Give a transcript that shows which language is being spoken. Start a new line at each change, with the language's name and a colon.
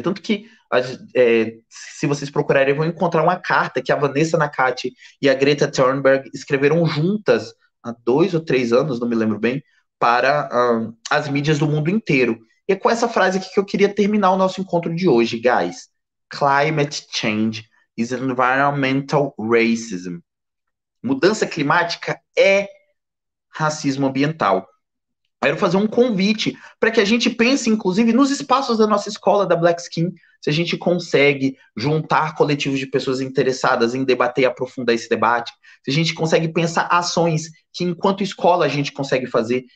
Portuguese: Tanto que, se vocês procurarem, vão encontrar uma carta que a Vanessa Nakate e a Greta Thunberg escreveram juntas há 2 ou 3 anos, não me lembro bem, para as mídias do mundo inteiro. E é com essa frase aqui que eu queria terminar o nosso encontro de hoje, guys.
English: Climate change is environmental racism.
Portuguese: Mudança climática é racismo ambiental. Quero fazer um convite para que a gente pense, inclusive, nos espaços da nossa escola da Black Skin, se a gente consegue juntar coletivos de pessoas interessadas em debater e aprofundar esse debate, se a gente consegue pensar ações que, enquanto escola, a gente consegue fazer.